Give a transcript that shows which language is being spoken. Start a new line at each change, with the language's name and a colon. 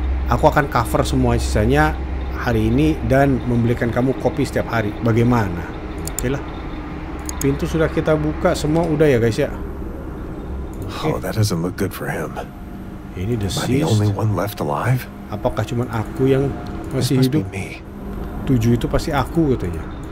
Indonesian: Aku akan cover semua sisanya hari ini dan membelikan kamu kopi setiap hari. Bagaimana? Oke lah. Pintu sudah kita buka, semua udah ya guys ya.
English: Okay. Oh, that doesn't look good for him.
Indonesian: Ini deceased.
English: Am I the only one left alive?
Indonesian: Apakah cuma aku yang masih hidup? Tujuh itu pasti aku katanya.